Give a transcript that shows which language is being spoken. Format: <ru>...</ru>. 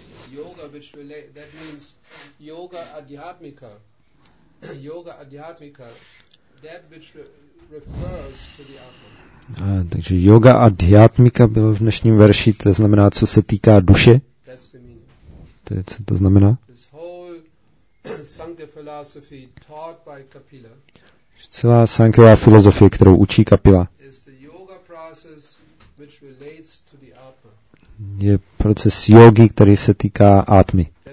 <en>Yoga, which relate, that means yoga adhyatmika. Yoga adhyatmika, that which refers to the atman.</en> <cs>Takže yoga adhyatmika bylo v dnešním verši, to znamená, co se týká duše.</cs> <en>That's the meaning.</en> <cs>To je, co to znamená.</cs> <en>This whole Sankhya philosophy taught by Kapila.</en> <cs>Celá Sankhya filozofie, kterou učí Kapila.</cs> <en>Is the yoga process which relates to the atman.</en> <cs>Je proces jógy, který se týká átmy.</cs>